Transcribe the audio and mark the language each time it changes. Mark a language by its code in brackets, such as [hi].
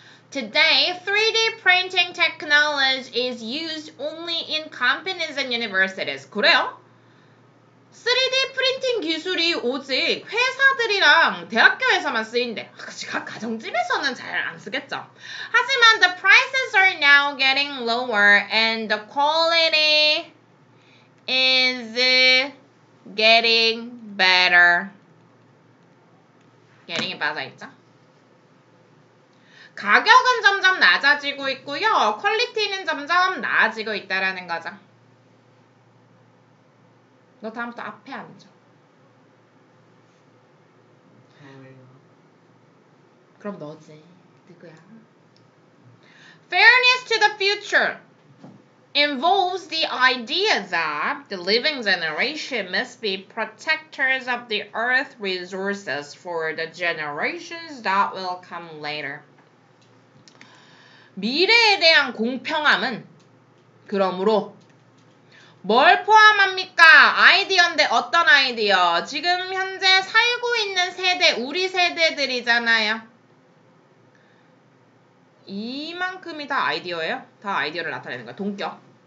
[en] Today, 3D printing technology is used only in companies and universities. [ko] 그래요? 3D 프린팅 기술이 오직 회사들이랑 대학교에서만 쓰인대. 각 가정집에서는 잘 안 쓰겠죠. 하지만 [en] the prices are now getting lower and the quality is getting better. [ko] Getting이 빠져있죠? 가격은 점점 낮아지고 있고요. 퀄리티는 점점 나아지고 있다라는 거죠. 너 다음부터 앞에 앉아. 그럼 너지. 누구야? [en] Fairness to the future involves the idea that the living generation must be protectors of the earth resources for the generations that will come later. [ko] 미래에 대한 공평함은 그러므로 뭘 포함합니까? 아이디어인데 어떤 아이디어? 지금 현재 살고 있는 세대, 우리 세대들이잖아요. 이만큼이 다 아이디어예요? 다 아이디어를 나타내는 거야. 동격.